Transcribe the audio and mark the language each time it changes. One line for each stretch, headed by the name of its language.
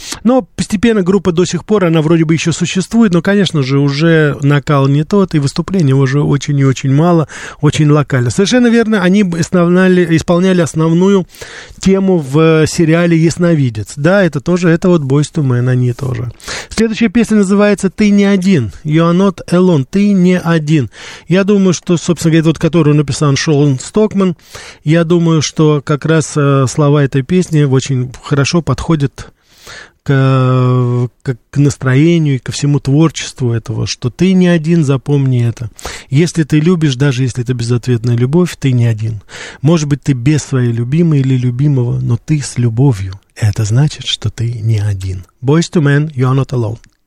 Russian: Но постепенно группа до сих пор, она вроде бы еще существует, но, конечно же, уже накал не тот, и выступлений уже очень и очень мало, очень локально. Совершенно верно, они исполняли основную тему в сериале «Ясновидец». Да, это тоже, это вот «Boys to Men», они тоже. Следующая песня называется «Ты не один».
English: «You are not alone»,
Russian: «Ты не один». Я думаю, что, собственно говоря, тот, который написал Шон Стокман, я думаю, что как раз слова этой песни очень хорошо подходят к настроению и ко всему творчеству этого, что ты не один, запомни это. Если ты любишь, даже если это безответная любовь, ты не один. Может быть, ты без своей любимой или любимого, но ты с любовью. Это значит, что ты не один.
English: Boys to men, you are not alone.